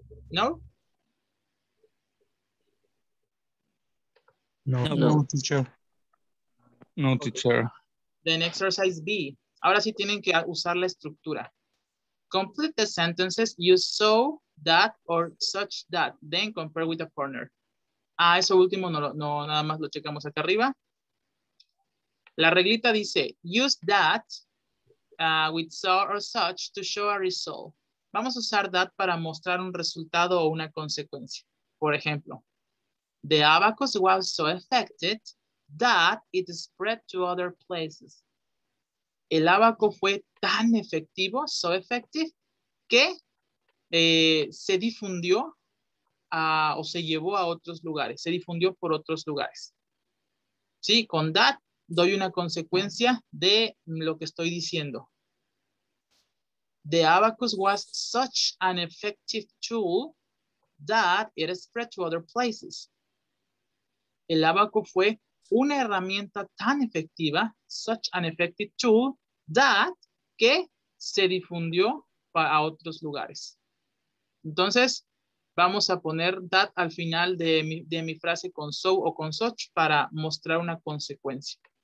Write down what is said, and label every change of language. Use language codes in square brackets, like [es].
[en] No? No, no, no, teacher. No, teacher. Then exercise B. [es] Ahora sí tienen que usar la estructura. [en] Complete the sentences you saw that or such that. Then compare with a partner. [es] Ah, eso último nada más lo checamos acá arriba. La reglita dice, [en] use that with so or such to show a result. [es] Vamos a usar that para mostrar un resultado o una consecuencia. [en] Por ejemplo, the abacus was so affected that it spread to other places. [es] El abaco fue tan efectivo, [en] so effective, [es] que se difundió o se llevó a otros lugares. Se difundió por otros lugares. Sí, con that doy una consecuencia de lo que estoy diciendo. [en] The abacus was such an effective tool that it spread to other places. [es] El abaco fue una herramienta tan efectiva, [en] such an effective tool, that [es] que se difundió a otros lugares. Entonces, vamos a poner that al final de mi frase con so o con such para mostrar una consecuencia.